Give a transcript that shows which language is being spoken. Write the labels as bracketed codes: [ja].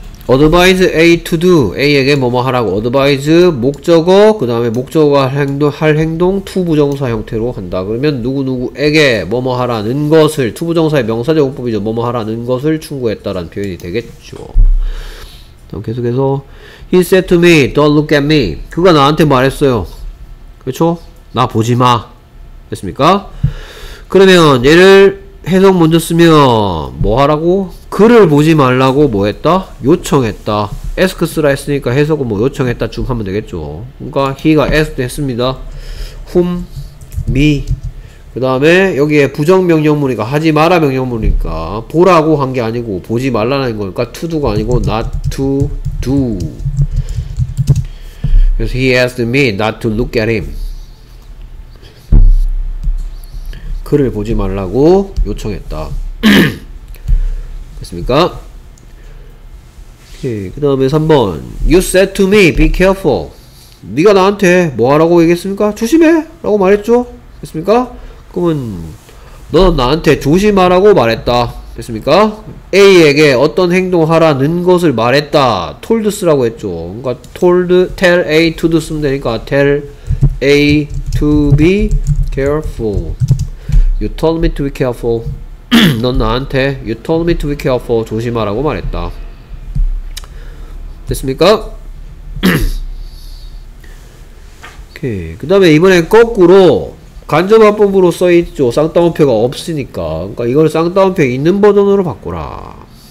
[ko] advise A to do. A에게 뭐뭐 하라고. advise 목적어, 그 다음에 목적어 할 행동 to 부정사 형태로 한다. 그러면 누구누구에게 뭐뭐 하라는 것을, to 부정사의 명사제공법이죠. 뭐뭐 하라는 것을 충고했다라는 표현이 되겠죠. [en] 계속해서 he said to me don't look at me. [ko] 그가 나한테 말했어요. 그렇죠? 나 보지 마. 됐습니까? 그러면 얘를 해석 먼저 쓰면 뭐 하라고? 그를 보지 말라고 뭐 했다? 요청했다. ask 쓰라 했으니까 해석은 뭐 요청했다 쯤 하면 되겠죠. 그러니까 he가 ask도 했습니다. whom? me. 그 다음에 여기에 부정명령문이니까 하지 마라 명령문이니까 보라고 한 게 아니고 보지 말라는 거니까 to do가 아니고 not to do. [en] 그래서 he asked me not to look at him. [ko] 그를 보지 말라고 요청했다. 됐습니까? 오케이. 그 다음에 3번 [en] you said to me be careful. [ko] 네가 나한테 뭐하라고 얘기했습니까? 조심해 라고 말했죠. 됐습니까? 그러면 너 나한테 조심하라고 말했다. 됐습니까? A에게 어떤 행동하라는 것을 말했다. told 쓰라고 했죠. 그러니까 told, tell A to do 쓰면 되니까 [en] tell A to be careful. You told me to be careful. [ko] 넌 나한테 [en] you told me to be careful. [ko] 조심하라고 말했다. 됐습니까? 오케이. 그 다음에 이번엔 거꾸로 간접화법으로 써있죠. 쌍따옴표가 없으니까. 그니까 이걸 쌍따옴표 있는 버전으로 바꾸라.